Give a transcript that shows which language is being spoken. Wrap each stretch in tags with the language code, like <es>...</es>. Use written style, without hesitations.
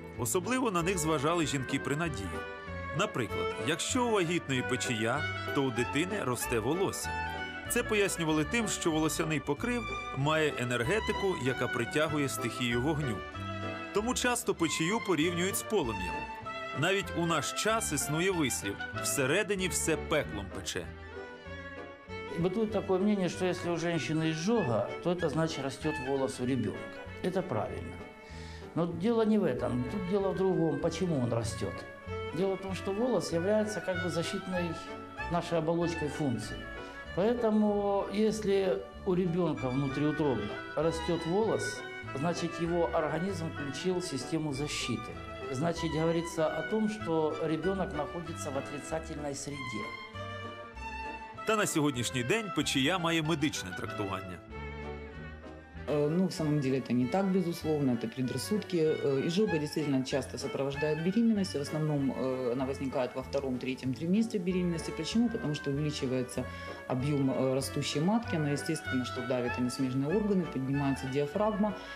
<uk>Особливо на них зважали жінки при Надії. Наприклад, якщо у вагітної печія, то у дитини росте волосся. Це пояснювали тим, що волосяний покрив має енергетику, яка притягує стихію вогню. Тому часто печію порівнюють з полум'ям. Навіть у наш час існує вислів «всередині все пеклом пече».</uk> <ru>Бытует такое мнение, что если у женщины изжога, то это значит растет волос у ребенка. Это правильно. Но дело не в этом. Тут дело в другом. Почему он растет? Дело в том, что волос является как бы защитной нашей оболочкой функцией. Поэтому если у ребенка внутриутробно растет волос, значит его организм включил систему защиты. Значит, говорится о том, что ребенок находится в отрицательной среде.</ru> <uk>Та на сьогоднішній день печія має медичне трактування.</uk> <ru>Ну, в самом деле, это не так, безусловно, это предрассудки. Ізжога действительно часто сопровождает беременность. В основном она возникает во втором-третьем триместре беременности. Почему? Потому что увеличивается объем растущей матки. Она, естественно, что давит на смежные органы, поднимается диафрагма.</ru>